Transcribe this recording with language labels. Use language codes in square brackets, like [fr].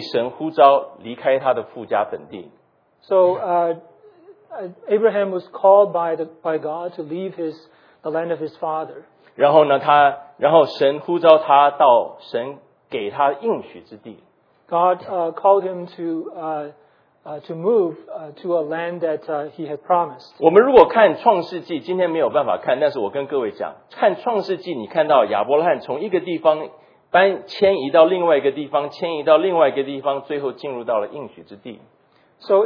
[zh] 亚伯拉罕，他那时候被神呼召离开他的父家本地。 [en] So Abraham was called by God to leave the land of his father. [zh] 然后呢，神呼召他到神给他应许之地。 [en] God called him to move to a land that he had promised. [zh] 我们如果看创世纪，今天没有办法看，但是我跟各位讲，看创世纪，你看到亚伯拉罕从一个地方搬迁移到另外一个地方，迁移到另外一个地方，最后进入到了应许之地。 [en] So